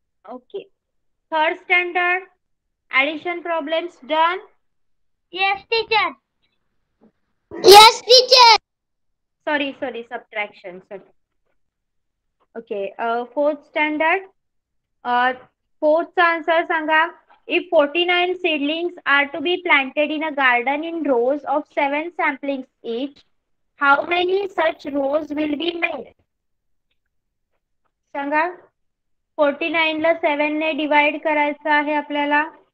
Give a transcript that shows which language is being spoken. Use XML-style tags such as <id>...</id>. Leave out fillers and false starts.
<en>Okay third standard addition problems done. Yes teacher. Yes teacher. Sorry sorry subtraction. Sorry.</en> <mr>Okay fourth standard fourth चा answer सांगा.</mr> <en>If 49 seedlings are to be planted in a garden in rows of 7 samplings each how many such rows will be made.</en> <mr>सांगा 49 7 ने divide करायचं आहे आपल्याला.</mr>